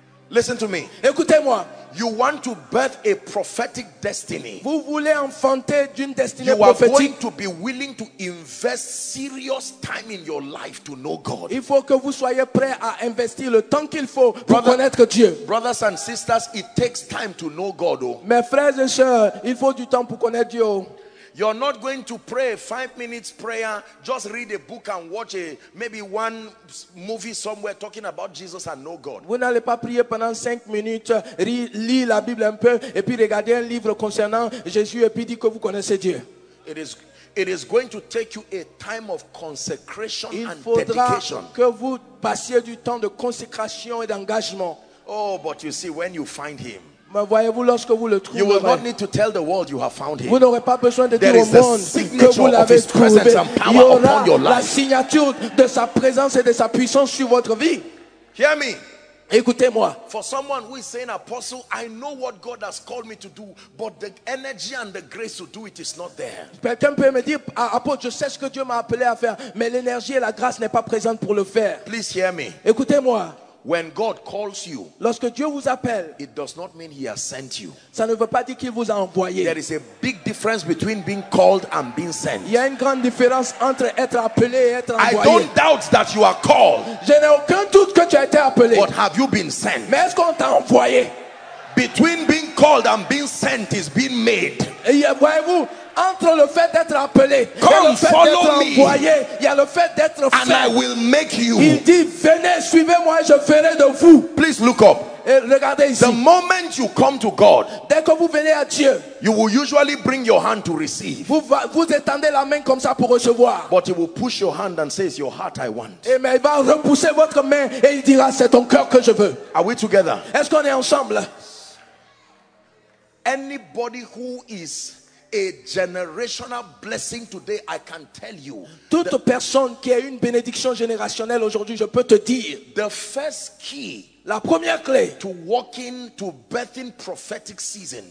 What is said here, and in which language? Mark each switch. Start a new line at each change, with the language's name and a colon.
English: Listen to me.
French: Écoutez-moi.
English: You want to birth a prophetic destiny.
French: Vous voulez enfanter d'une destinée
English: you
French: prophétique.
English: You are going to be willing to invest serious time in your life to know God.
French: Il faut que vous soyez prêt à investir le temps qu'il faut pour connaître Dieu.
English: Brothers and sisters, it takes time to know God. Oh.
French: Mes frères et sœurs, il faut du temps pour connaître Dieu.
English: You're not going to pray 5 minutes prayer, just read a book and watch maybe one movie somewhere talking about Jesus and know God.
French: Vous n'allez pas prier pendant 5 minutes, lire la Bible un peu et puis regarder un livre concernant Jésus et puis dire que vous connaissez Dieu.
English: It is going to take you a time of consecration
French: Il
English: and dedication.
French: Il faudra que vous passiez du temps de consécration et d'engagement.
English: Oh, but you see, when you find him,
French: mais voyez-vous, lorsque vous le trouvez,
English: you will not need to tell the world you have found him.
French: Vous n'aurez pas besoin de
English: there
French: dire au monde que vous l'avez trouvé. Il y aura la signature de sa présence et de sa puissance sur votre vie.
English: Hear me.
French: Écoutez-moi.
English: For someone who is saying, "Apostle, I know what God has called me to do, but the energy and the grace to do it is not there."
French: Quelqu'un peut me dire, "Apôtre, je sais ce que Dieu m'a appelé à faire, mais l'énergie et la grâce n'est pas présente pour le faire."
English: Please hear me.
French: Écoutez-moi.
English: When God calls you,
French: lorsque Dieu vous appelle,
English: it does not mean he has sent you.
French: Ça ne veut pas dire qu'il vous a envoyé.
English: There is a big difference between being called and being sent.
French: Il y a une grande différence entre être appelé et être envoyé.
English: I don't doubt that you are called.
French: Je n'ai aucun doute que tu as été appelé.
English: But have you been sent?
French: Mais est-ce qu'on t'a envoyé?
English: Between being called and being sent is being made.
French: Et voyez-vous, entre le fait d'être appelé,
English: come,
French: et le fait
English: follow
French: d'être envoyé,
English: me.
French: Il y a le fait d'être fait.
English: And I will make you.
French: Il dit, venez, suivez-moi, je ferai de vous.
English: Please look up.
French: Et regardez ici.
English: The moment you come to God,
French: dès que vous venez à Dieu,
English: you will usually bring your hand to receive.
French: Vous étendez la main comme ça pour recevoir.
English: But he will push your hand and say, it's your heart I want.
French: Et mais il va repousser votre main et il dira, c'est ton cœur que je veux.
English: Are we together?
French: Est-ce qu'on est ensemble?
English: Anybody who is a generational blessing today, I can tell you.
French: Toute personne qui a une bénédiction générationnelle aujourd'hui, je peux te dire.
English: The first key,
French: la première clé,
English: to walk in, to birthing prophetic seasons,